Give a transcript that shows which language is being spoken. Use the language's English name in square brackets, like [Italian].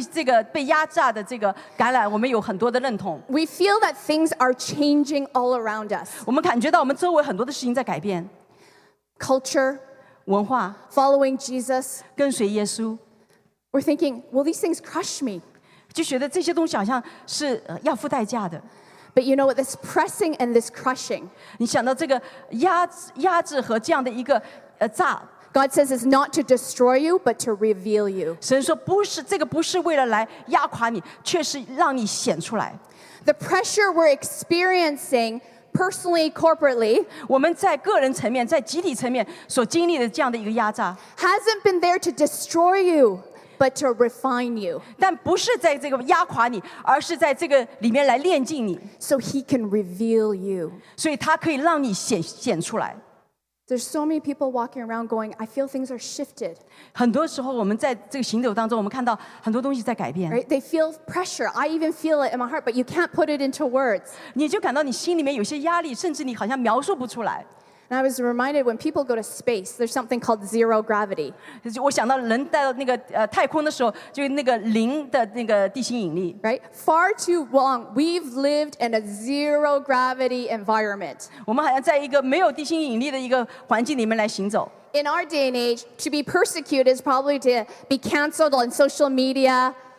[Chinese] 我相信我们很多人跟这个好像这个被压榨的这个橄榄, 我们有很多的认同。 [English] We feel that things are changing all around us. [Chinese] 我们感觉到我们周围很多的事情在改变。 [English] Culture. [Chinese] 文化, [English] following Jesus. [Chinese] 跟随耶稣, [English] we're thinking, will these things crush me? [Chinese] 就觉得这些东西好像是, 要付代价的。 [English] But you know what? This pressing and this crushing. [Chinese] 你想到这个压制和这样的一个, [English] God says it's not to destroy you, but to reveal you. [Chinese] 神说不是, 这个不是为了来压垮你, 却是让你显出来。 [English] The pressure we're experiencing personally, corporately, [Chinese] 我们在个人层面, 在集体层面所经历的这样的一个压榨, [English] hasn't been there to destroy you, but to refine you. [Chinese] 但不是在这个压垮你, 而是在这个里面来炼净你。 [English] So he can reveal you. [Chinese] 所以他可以让你显出来。 [English] There's so many people walking around going, I feel things are shifted. [Chinese] 很多时候我们在这个行走当中, 我们看到很多东西在改变。 [English] Right? They feel pressure. I even feel it in my heart, but you can't put it into words. [Chinese] 你就感到你心里面有些压力, 甚至你好像描述不出来。 [English] And I was reminded when people go to space, there's something called zero gravity. [Chinese] 我想到人带到那个, 太空的时候, 就那个零的那个地心引力。 [English] Right? Far too long, we've lived in a zero gravity environment. [Chinese] 我们好像在一个没有地心引力的一个环境里面来行走。 [English] In our day and age, to be persecuted is probably to be canceled on social media.